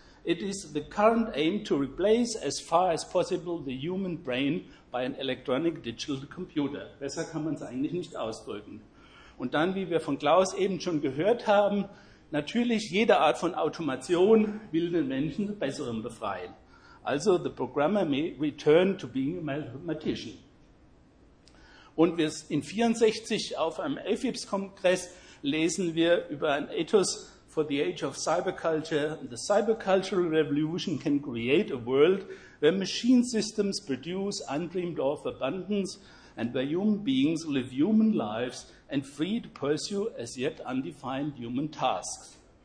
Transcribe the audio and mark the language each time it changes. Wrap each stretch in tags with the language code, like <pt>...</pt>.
<en>It is the current aim to replace as far as possible the human brain by an electronic digital computer.</en> <de>Besser kann man es eigentlich nicht ausdrücken. Und dann, wie wir von Klaus eben schon gehört haben, natürlich jede Art von Automation will den Menschen Besseren befreien.</de> <en>Also the programmer may return to being a mathematician.</en> <de>Und wir in 64 auf einem AFIPS-Kongress lesen wir über ein</de> <en>Ethos for the age of cyberculture. The cybercultural revolution can create a world where machine systems produce undreamed of abundance and where human beings live human lives and free to pursue as yet undefined human tasks.</en>